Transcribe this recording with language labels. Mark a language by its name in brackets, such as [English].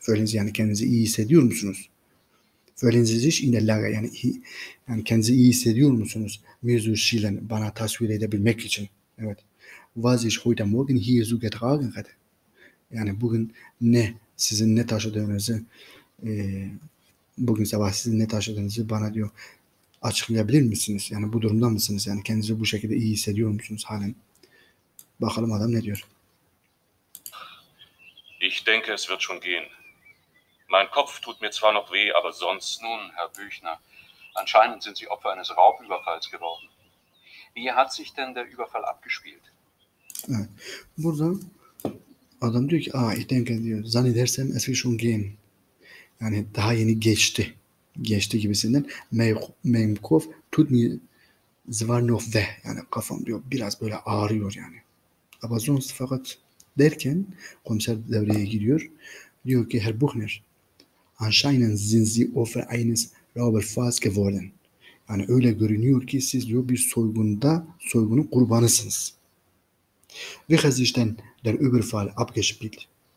[Turkish] Öyleyse yani kendinizi iyi hissediyor musunuz? Öyleyse hiç [German] in der Lage, [Turkish] yani yani kendinizi iyi hissediyor musunuz? Mirzu Şilen bana tasvir edebilmek için. Evet. [German] Was ich heute Morgen hier so getragen hat. [Turkish] Yani bugün ne sizin ne taşıdığınızı bugün sabah sizin ne taşıdığınızı bana diyor açıklayabilir misiniz? Yani bu durumda mısınız? Yani kendinizi bu şekilde iyi hissediyor musunuz halen? Bakalım adam ne diyor. [German] Ich denke, es wird schon gehen. Mein Kopf tut mir zwar noch weh, aber sonst... Nun, Herr Büchner, anscheinend sind Sie Opfer eines Raubüberfalls geworden. Wie hat sich denn der Überfall abgespielt? [Turkish] Burada adam diyor ki, [German] ich denke, [Turkish] diyor, zannedersem [German] es wird schon gehen. [Turkish] Yani daha yeni geçti. Geçti gibisinden. [German] Mein Kopf tut mir zwar noch weh. [Turkish] Yani kafam diyor biraz böyle ağrıyor yani. [German] Aber sonst [Turkish] fakat derken komiser devreye giriyor. Diyor ki [German] Herr Buchner, anscheinend sind Sie Opfer eines Raubüberfalls geworden. [Turkish] Yani öyle görünüyor ki siz diyor bir soygunun kurbanısınız. [German] Wie hat sich denn der Überfall abgespielt?